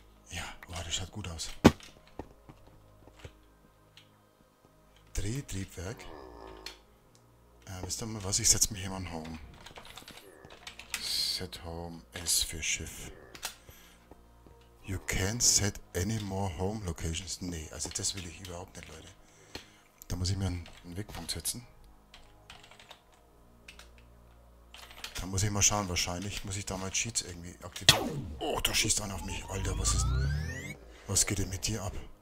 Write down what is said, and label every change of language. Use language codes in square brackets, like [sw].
[de] Ja, oh, das schaut gut aus. Drehtriebwerk. Wisst ihr mal was? Ich setze mich hier mal an Home. Set Home S für Schiff. [en] You can't set any more home locations. [de] Nee, also das will ich überhaupt nicht, Leute. Da muss ich mir einen Wegpunkt setzen. Da muss ich mal schauen, wahrscheinlich muss ich da mal Cheats irgendwie aktivieren. Oh, da schießt einer auf mich. Alter, was ist denn? Was geht denn mit dir ab?